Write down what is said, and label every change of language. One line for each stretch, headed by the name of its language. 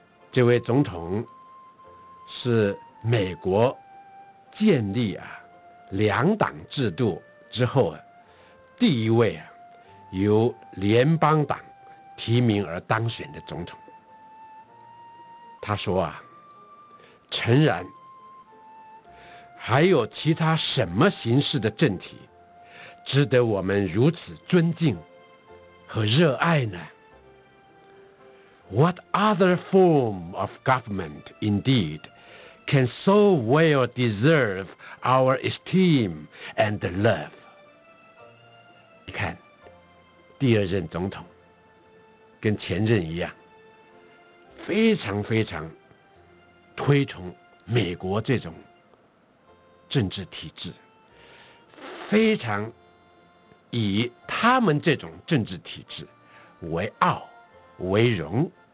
Chinese: 这位总统是美国建立啊两党制度之后啊第一位啊由联邦党提名而当选的总统。他说啊，诚然还有其他什么形式的政体值得我们如此尊敬和热爱呢？
English: What other form of government indeed can so well deserve our esteem and love?
Chinese: 你看第二任总统跟前任一样非常非常推崇美国这种政治体制，非常以他们这种政治体制为傲为荣。